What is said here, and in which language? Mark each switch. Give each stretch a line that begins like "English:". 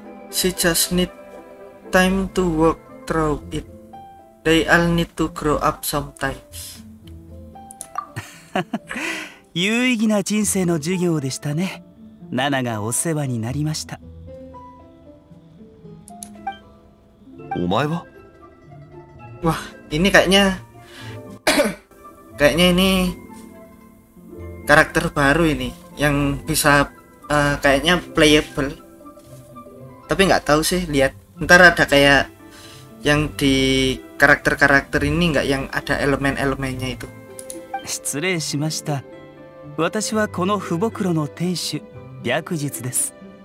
English: She just need time to work through it. They all need to grow up sometimes.
Japanese: 有意義な人生の授業でしたね。ナナがお世話になりました。お前は？
Indonesian: Wah, ini kayaknya kayaknya ini karakter baru ini. Yang bisa、kayaknya playable. Tapi gak tahu sih, lihat. Ntar ada kayak yang di karakter-karakter ini gak yang ada elemen-elemennya itu.
Japanese: 失礼しました。私はこのフボクロの店主、白術です。